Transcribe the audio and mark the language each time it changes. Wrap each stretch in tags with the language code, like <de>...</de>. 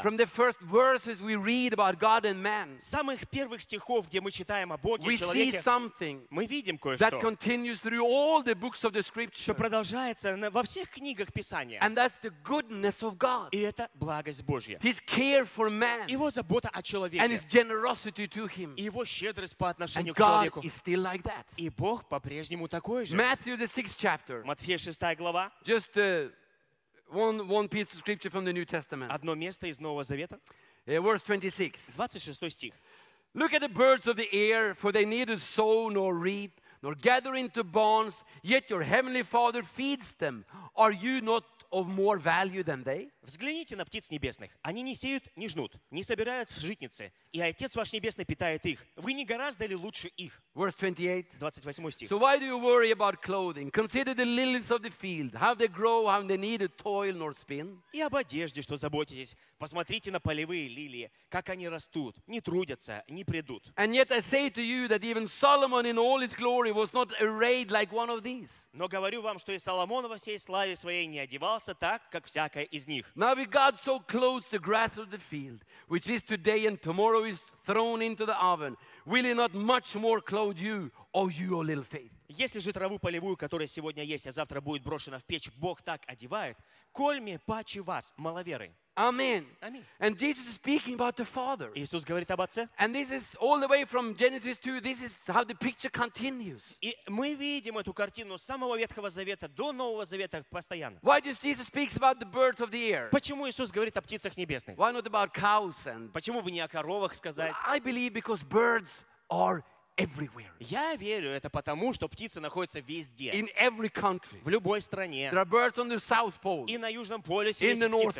<en>from the first verses we read about God and man,</en> <ru>самых первых стихов, где мы читаем о Боге,</ru> <en>we</en> <ru>человеке,</ru> <en>see something</en> <ru>мы видим кое-что,</ru> <en>that continues through all the books of the Scripture,</en> <ru>что продолжается во всех книгах Писания.</ru> <en>And that's the goodness of God.</en> <ru>И это благость Божья.</ru> <en>His care for man.</en> <ru>Его забота о человеке.</ru> <en>And His generosity to him.</en> <ru>И Его щедрость по отношению</ru> <en>and</en> <ru>к человеку.</ru> <en>God is still like that.</en> <ru>И Бог по-прежнему такой же.</ru> <en>Matthew, the sixth chapter. Just one piece of scripture from the New Testament.</en> <ru>Одно место из Нового Завета.</ru> <en>Verse 26.</en> <ru>26 стих.</ru> <en>Look at the birds of the air, for they neither sow nor reap, nor gather into barns, yet your heavenly Father feeds them. Are you not of more value than they?</en> <ru>Взгляните на птиц небесных. Они не сеют, не жнут, не собирают в житницы, и Отец ваш небесный питает их. Вы не гораздо ли лучше их?</ru> <en>Verse 28.</en> <ru>28 стих.</ru> <en>So why do you worry about clothing? Consider the lilies of the field, how they grow, how they neither toil nor spin.</en> <ru>И об одежде, что заботитесь. Посмотрите на полевые лилии, как они растут, не трудятся, не придут.</ru> <en>And yet I say to you that even Solomon in all his glory was not arrayed like one of these.</en> <ru>Но говорю вам, что и Соломон во всей славе своей не одевался так, как всякая из них.</ru> <en>Now regard so close the grass of the field, which is today and tomorrow is thrown into the oven. Will he not much more clothe you, O you of little faith?</en> <ru>Если же траву полевую, которая сегодня есть, а завтра будет брошена в печь, Бог так одевает, коль мне паче вас, маловеры.</ru> <en>Amen. And Jesus is speaking about the Father.</en> <ru>Иисус говорит об Отце.</ru> <en>And this is all the way from Genesis 2. This is how the picture continues.</en> <ru>И мы видим эту картину с самого Ветхого Завета до Нового Завета постоянно.</ru> <en>Why does Jesus speak about the birds of the air?</en> <ru>Почему Иисус говорит о птицах небесных?</ru> <en>Why not about cows and?</en> <ru>Почему бы не о коровах сказать?</ru> <en>Well, I believe because birds are everywhere.</en> <ru>Я верю это потому, что птицы находятся везде.</ru> <en>In every country.</en> <ru>В любой стране.</ru> <en>There are birds on the South Pole.</en> <ru>И на Южном полюсе</ru> <en>in</en> <ru>есть</ru> <en>North</en> <ru>птицы.</ru>